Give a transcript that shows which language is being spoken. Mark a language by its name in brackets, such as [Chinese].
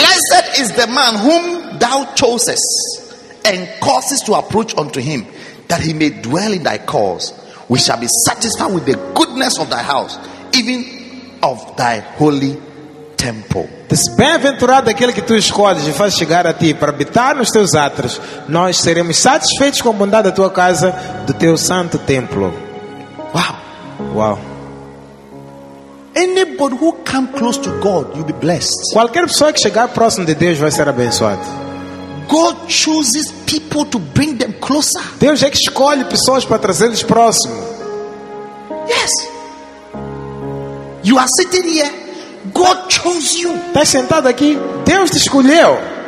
[English] Blessed is the man whom thou choosest and causest to approach unto him, that he may dwell in thy cause. We shall be satisfied with the goodness of thy house, even of thy holy temple. [Portuguese] Diz, bem-aventurado aquele que tu escolhes e faz chegar a ti para habitar nos teus átrios. Nós seremos satisfeitos com a bondade da tua casa, do teu santo templo. Wow. Wow. [English] Anybody who come close to God, you'll be blessed. [Portuguese] Qualquer pessoa que chegar próximo de Deus vai ser abençoado. [English] God chooses people to bring them closer. [Portuguese] Deus é que escolhe pessoas para trazê-los próximo. [English] Yes. You are sitting here. God chose you. [Portuguese] Está sentado aqui. Deus te escolheu.